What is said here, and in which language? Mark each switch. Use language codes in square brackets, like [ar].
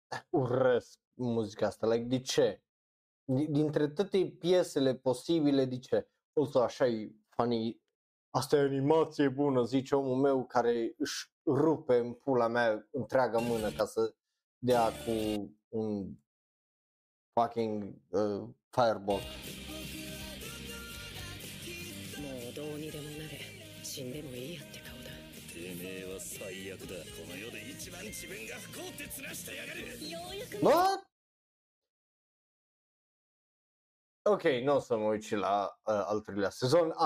[ro] Urăsc muzica asta, like, de ce? Dintre toate piesele posibile, de ce? Also, așa e funny. Asta e animație bună, zice omul meu care își rupe în pula mea întreaga mână ca să dea cu un [en] fucking fireball. [ja] もうどうにでもなれ、死んでもいいやって顔だ。てめえは最悪だ。この世で一番自分が不幸ってつらしてやがる。ようやく。 [en] What? [ro] Okay, no, să mă uit și la al treilea sezon.